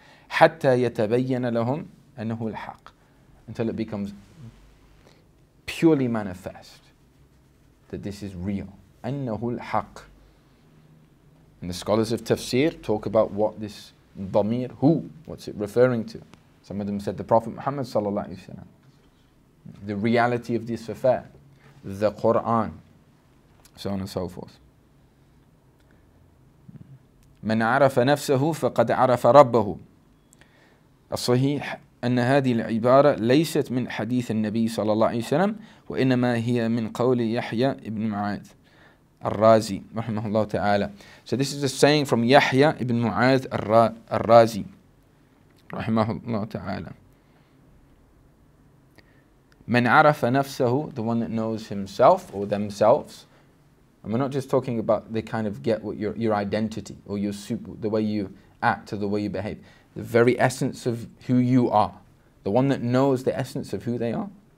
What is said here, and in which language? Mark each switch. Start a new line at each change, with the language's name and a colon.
Arabic: حَتَّى يَتَبَيَّنَ لَهُمْ أَنَّهُ الْحَقِّ.
English: Until it becomes purely manifest that this is real.
Arabic: أَنَّهُ الْحَقِّ.
English: And the scholars of tafsir talk about what this dhamir, who, what's it referring to? Some of them said the Prophet Muhammad sallallahu alaihi wasallam. The reality of this affair, the Quran, so on and so forth.
Arabic: من عرف نفسه فقد عرف ربه. الصحيح أن هذه العبارة ليست من حديث النبي صلى الله عليه وسلم وإنما هي من قول يحيى ابن معاذ الرازي رحمه الله تعالى.
English: So this is a saying from يحيى ابن معاذ الرازي رحمه الله تعالى.
Arabic: من عرف نفسه,
English: the one that knows himself or themselves. And we're not just talking about they kind of get what your identity or your super, the way you act or the way you behave. The very essence of who you are. The one that knows the essence of who they are.